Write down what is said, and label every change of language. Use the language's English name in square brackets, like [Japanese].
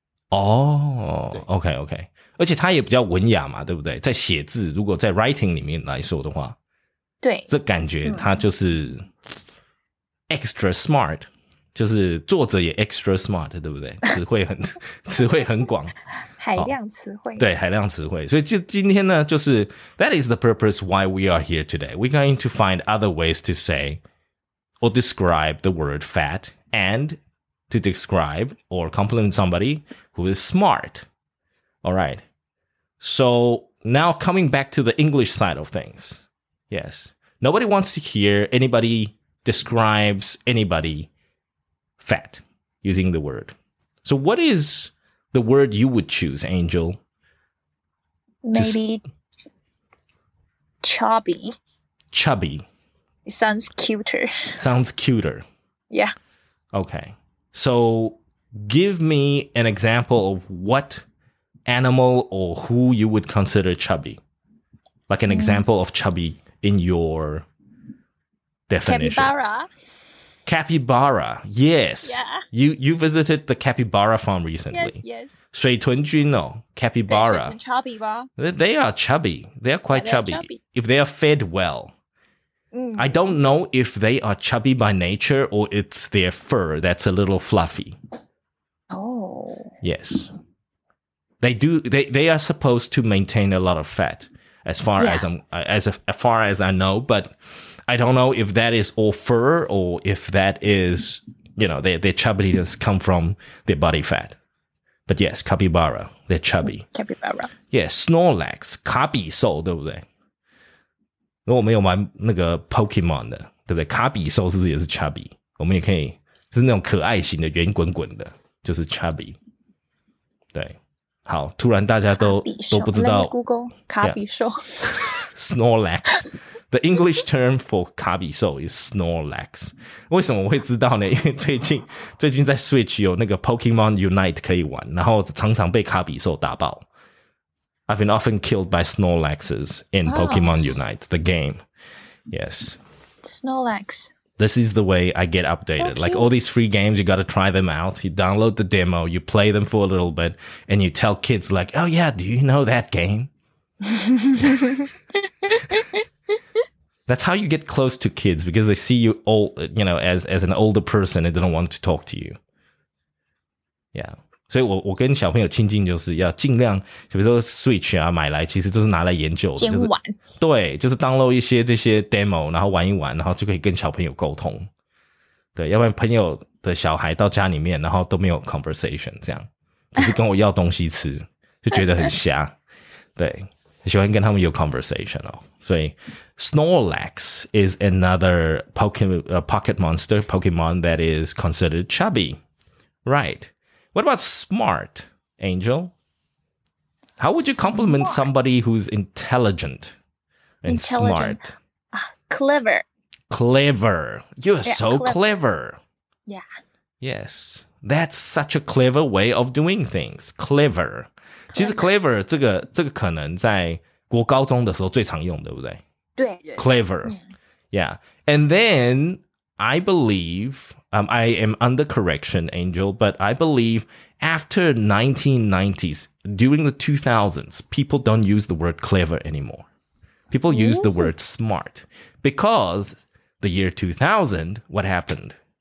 [Chinese] 哦 ，OK OK， 而且它也比较文雅嘛，对不对？在写字，如果在 writing 里面来说的话，对，这感觉它就是 [English] extra smart，、 [Chinese] 嗯、就是作者也 extra smart， 对不对？词汇很广。海量词汇、哦、对海量词汇，所以今天呢就是 [English] That is the purpose why we are here today. We're going to find other ways to say or describe the word fat and to describe or compliment somebody who is smart. Alright, so now coming back to the English side of things. Yes, nobody wants to hear anybody describes anybody fat using the word. So what isthe word you would choose, Angel? Maybe chubby. Chubby. It sounds cuter. Sounds cuter. Yeah. Okay. So give me an example of what animal or who you would consider chubby. Like an example of chubby in your definition. Capybara. Capybara. Yes. Yeah. You visited the capybara farm recently. Yes, yes. [Chinese] 水豚君哦 Capybara 水豚 chubby 吧 [English] they are chubby they are quite chubby. Chubby if they are fed well、 mm. I don't know if they are chubby by nature or it's their fur that's a little fluffy oh yes they do they are supposed to maintain a lot of fat as far、 yeah. as I'm as far as I know but I don't know if that is all fur or if that is you know their chubbiness come from their body fatBut yes, capybara, they're chubby. Capybara. [Chinese] Yes, Snorlax, 卡比兽对不对？如果我们有玩那个 Pokemon 的，对不对？卡比兽是不是也是 chubby？ 我们也可以，就是那种可爱型的圆滚滚的，就是 chubby。对，好，突然大家都不知道 Google 卡比兽。 [English] Yeah. Snorlax, the English term for 卡比兽 is Snorlax. [Chinese] 为什么我会知道呢？因为最近在 Switch 有那个 Pokemon Unite 可以玩，然后常常被卡比兽打爆。 [English] I've been often killed by Snorlaxes in Pokemon、oh. Unite, the game. Yes. Snorlax. This is the way I get updated. Like all these free games, you got to try them out. You download the demo, you play them for a little bit, and you tell kids like, oh yeah, do you know that game? That's how you get close to kids because they see you old, you know, as an older person and they don't want to talk to you. Yeah. [Chinese] 所以我跟小朋友亲近就是要尽量比如说 Switch 啊买来其实就是拿来研究的。先玩、就是。对就是 download 一些这些 demo, 然后玩一玩然后就可以跟小朋友沟通。对要不然朋友的小孩到家里面然后都没有 conversation, 这样。只是跟我要东西吃就觉得很瞎。对。喜欢跟他们有 conversation 哦，所以 [English] Snorlax is another pocket monster Pokemon that is considered chubby, right? What about smart, Angel? How would you compliment、 smart. somebody who's intelligent and intelligent. smart?、 clever. Clever. You are yeah, so clever. Yeah. Yes, that's such a clever way of doing things. Clever. [Chinese] 其实 clever 这个可能在国高中的时候最常用，对不对？对 [English] ，clever， yeah. And then I believe, I am under correction, Angel. But I believe after 1990s, during the 2000s, people don't use the word clever anymore. People use the word smart because the year 2000, what happened?